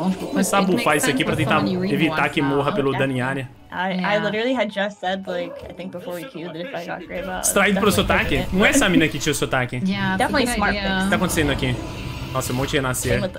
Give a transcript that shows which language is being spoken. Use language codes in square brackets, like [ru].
[pt] Começar a bufar isso aqui pra tentar evitar que morra pelo dano em área. [en] I literally had just said, like, I think before we queued that if I got Greyball. [pt] Extraído pro sotaque? Não é essa mina que tinha o sotaque. [en] Yeah, definitely smart. [pt] O que tá acontecendo aqui? Nossa, um monte de renascer.